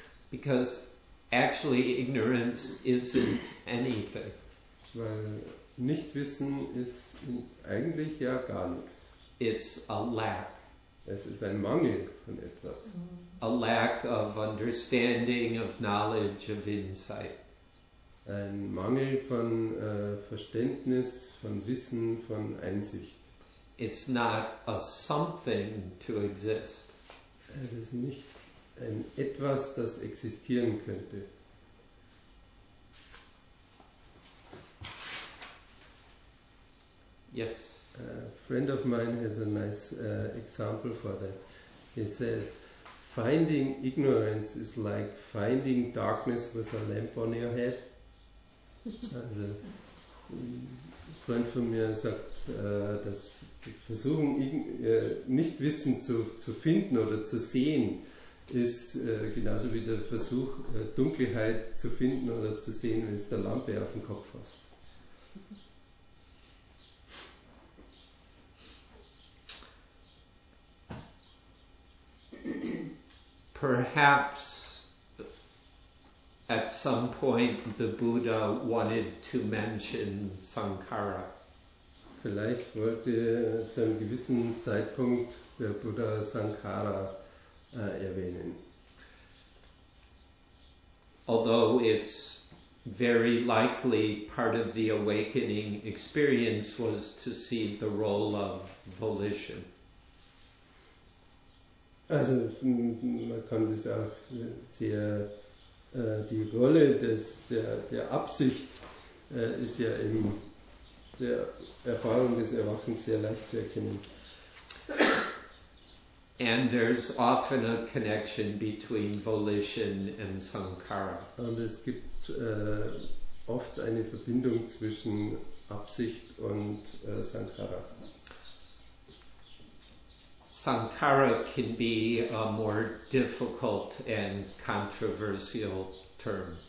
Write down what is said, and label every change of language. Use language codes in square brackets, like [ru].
[en] Because actually ignorance isn't anything. [de] Weil Nichtwissen ist eigentlich ja gar nichts. [en] It's a lack. [de] Es ist ein Mangel von etwas. [en] A lack of understanding, of knowledge, of insight. [de] Ein Mangel von Verständnis, von Wissen, von Einsicht. [en] It's not a something to exist. [de] Es ist nicht ein Etwas, das existieren könnte. [en] Yes. friend of mine has a nice example for that. He says, finding ignorance is like finding darkness with a lamp on your head. [de] Also, ein Freund von mir sagt, dass die Versuchung, Nichtwissen zu finden oder zu sehen, ist genauso wie der Versuch, Dunkelheit zu finden oder zu sehen, wenn es der Lampe auf dem Kopf hast. [en] Perhaps at some point the Buddha wanted to mention Sankara. [de] Vielleicht wollte zu einem gewissen Zeitpunkt der Buddha Sankara erwähnen. [en] Although it's very likely part of the awakening experience was to see the role of volition. [de] Also man kann das auch sehr, die Rolle der Absicht ist ja in der Erfahrung des Erwachens sehr leicht zu erkennen. [en] And there's often a connection between volition and sankhara. [de] Und es gibt oft eine Verbindung zwischen Absicht und Sankhara. [en] Sankhara can be a more difficult and controversial term.